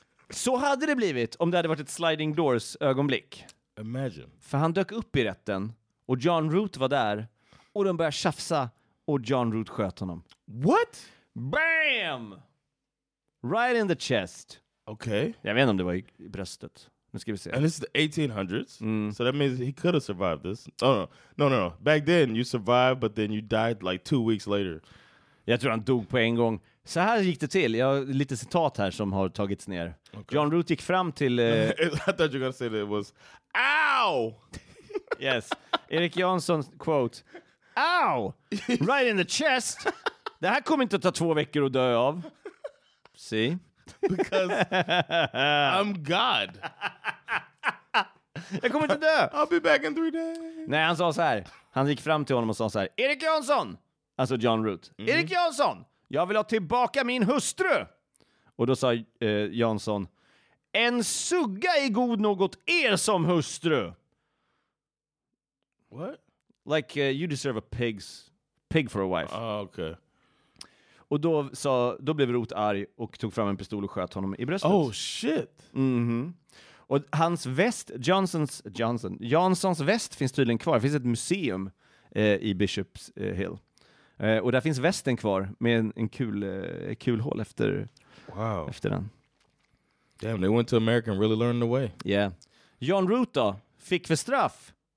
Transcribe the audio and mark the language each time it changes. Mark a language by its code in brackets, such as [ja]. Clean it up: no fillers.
[sv] Så hade det blivit om det hade varit ett sliding doors ögonblick. [en] Imagine. [sv] För han dök upp i rätten och John Root var där och de började tjafsa och John Root sköt honom. [en] What? Bam! Right in the chest. Okay. [sv] Jag vet inte om det var i bröstet. Nu ska vi se. [en] And this is the 1800s. Mm. So that means he could have survived this. Oh, no. Back then you survived but then you died like 2 weeks later. [sv] Jag tror han dog på en gång. Så här gick det till. Jag har lite citat här som har tagits ner. Okay. John Root gick fram till... [en] I thought you were going to say that it was... Ow! Yes. Erik Jansson, quote. Ow! Right in the chest! [sv] Det här kommer inte att ta 2 veckor att dö av. [en] See? Because I'm God. [sv] Jag kommer inte dö. [en] I'll be back in 3 days. [sv] Nej, han sa så här. Han gick fram till honom och sa så här. Erik Jansson! Alltså John Root. Mm-hmm. Erik Jansson, jag vill ha tillbaka min hustru. Och då sa Jansson, en sugga är god nog åt er som hustru. [en] What? Like, you deserve a pig for a wife. [sv] Ah, okej. Och då blev Root arg och tog fram en pistol och sköt honom i bröstet. [en] Oh, shit. Mm-hmm. [sv] Och hans väst, Janssons väst finns tydligen kvar. Det finns ett museum i Bishop's Hill. Och där finns västen kvar med en kul hål efter, [en] wow, [sv] efter den. [en] Damn, they went to America and really learned the way. Yeah. [sv] John Root då, fick för straff.